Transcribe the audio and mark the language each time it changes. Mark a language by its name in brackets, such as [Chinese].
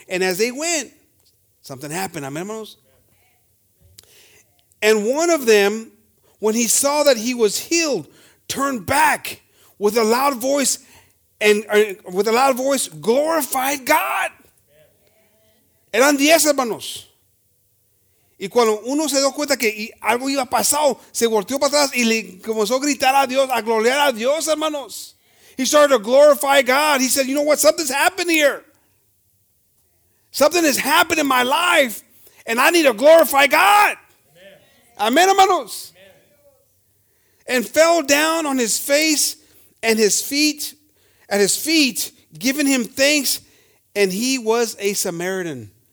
[English] And as they went, something happened. [Spanish] Amen, hermanos. [English] And one of them, when he saw that he was healed, turned back with a loud voice and with a loud voice, glorified God. [Spanish] Eran 10, hermanos. Y cuando uno se dio cuenta que algo iba a pasar, se volteó para atrás y le comenzó a gritar a Dios, a gloriar a Dios, hermanos. [English] He started to glorify God. He said, you know what? Something's happened here. Something has happened in my life, and I need to glorify God. [Spanish] Amen, hermanos. [English] And fell down on his face and his feet, at his feet, giving him thanks, and he was a Samaritan.